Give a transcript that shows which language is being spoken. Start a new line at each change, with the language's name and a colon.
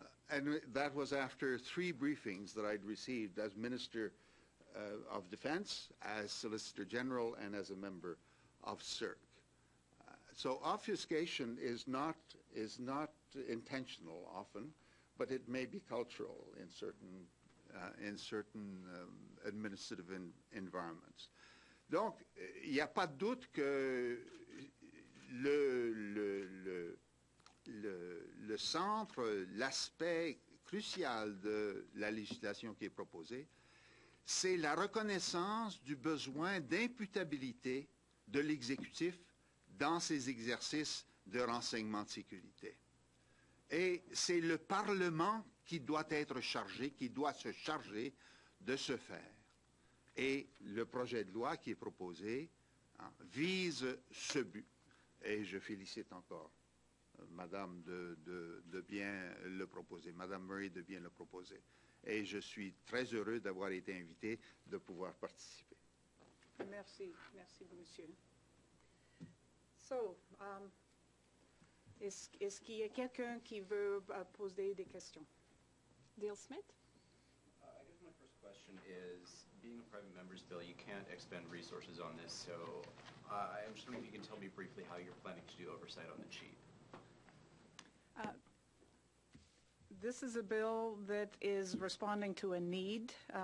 English: And that was after 3 briefings that I'd received as Minister of Defense, as Solicitor General, and as a member of CERC. So obfuscation is not intentional often, but it may be cultural in certain administrative environments.
French: Donc, il n'y a pas de doute que le centre, l'aspect crucial de la législation qui est proposée, c'est la reconnaissance du besoin d'imputabilité de l'exécutif dans ses exercices de renseignement de sécurité. Et c'est le Parlement qui doit être chargé, qui doit se charger de ce faire. Et le projet de loi qui est proposé vise ce but. Et je félicite encore Madame de bien le proposer, Madame Murray de bien le proposer. Et je suis très heureux d'avoir été invité de pouvoir participer. Merci, monsieur. So, Est-ce qu'il y a quelqu'un qui veut poser des questions? Dale Smith?
English: I guess my first question is, being a private member's bill, you can't expend resources on this, so I'm just wondering if you can tell me briefly how you're planning to do oversight on the cheap. This is a bill that is responding to a need.